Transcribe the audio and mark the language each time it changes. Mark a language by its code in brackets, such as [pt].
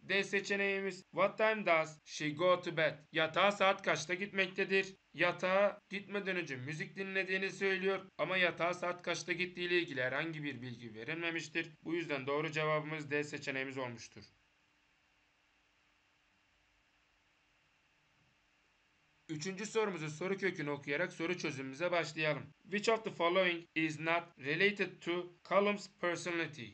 [tr] D seçeneğimiz [en] What time does she go to bed? [tr] Yatağa saat kaçta gitmektedir? Yatağa gitmeden önce müzik dinlediğini söylüyor ama yatağa saat kaçta gittiğiyle ilgili herhangi bir bilgi verilmemiştir. Bu yüzden doğru cevabımız D seçeneğimiz olmuştur. Üçüncü sorumuzun soru kökünü okuyarak soru çözümümüze başlayalım. [en] Which of the following is not related to Callum's personality?